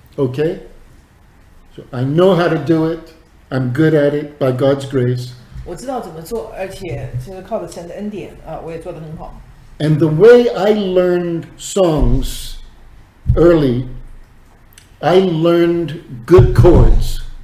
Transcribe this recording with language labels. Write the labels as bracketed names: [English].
[English] Okay, so I know how to do it. I'm good at it by God's grace. [Chinese] 我知道怎么做，而且就是靠着神的恩典啊，我也做得很好。And [English] the way I learned songs early, I learned good chords.